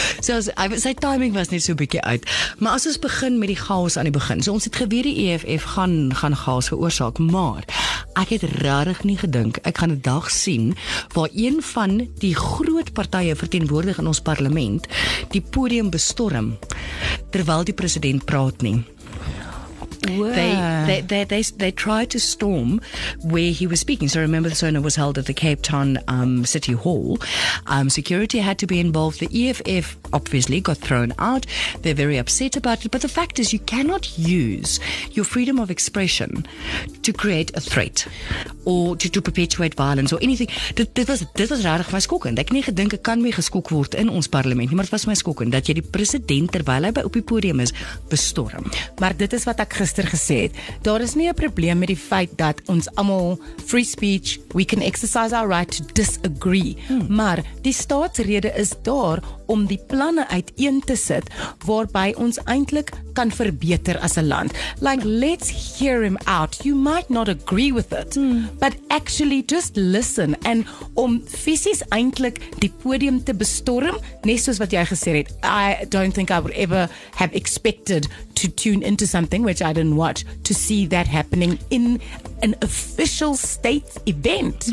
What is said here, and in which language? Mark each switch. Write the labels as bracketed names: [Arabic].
[Afrikaans] So sy timing was net so 'n bietjie uit. Maar as ons begin met die chaos aan die begin, so ons het geweet die EFF gaan chaos veroorsaak, maar ek het rarig nie gedink, ek gaan 'n dag sien waar een van die groot partye verteenwoordig in ons parlement die podium bestorm terwyl die president praat nie. [English] They tried to storm where he was speaking. So remember, the sona was held at the Cape Town City Hall. Security had to be involved. The EFF obviously got thrown out. They're very upset about it. But the fact is, you cannot use your freedom of expression to create a threat or to perpetuate violence or anything. [Afrikaans] Dit was rarig my skokkend. Ek nie gedink ek kan mee geskok word in ons parlement nie, maar dit was my skokkend dat jy die president terwyl hy op die podium is bestorm. Maar dit is wat ek gister gesê het. Daar is nie 'n probleem met die feit dat ons almal [English] free speech, we can exercise our right to disagree. [Afrikaans] Maar die staatsrede is daar om die planne uiteen te sit waarby ons eintlik kan verbeter as 'n land. [English] Like, let's hear him out. You might not agree with it, but actually just listen. [Afrikaans] En om fisies eintlik die podium te bestorm, net soos wat jy gesê het, [English] I don't think I would ever have expected to tune into something which I didn't watch to see that happening in an official state event.